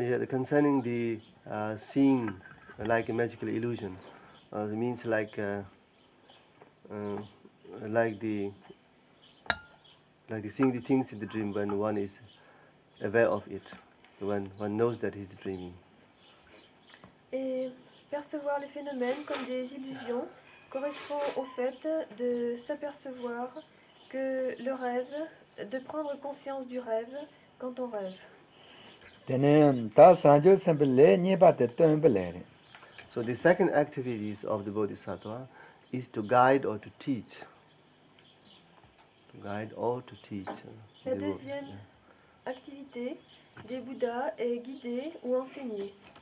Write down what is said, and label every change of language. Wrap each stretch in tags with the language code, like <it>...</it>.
<en>Concerning the seeing like a magical illusion, it means like seeing the things in the dream when one is aware of it, when one knows that he's dreaming.</en> <fr>Et percevoir les phénomènes comme des illusions correspond au fait de s'apercevoir que le rêve, de prendre conscience du rêve quand on rêve.</fr> <en>So the second activity of the Bodhisattva is to guide or to teach.</en> <fr>La deuxième activité des Bouddhas est guider ou enseigner.</fr>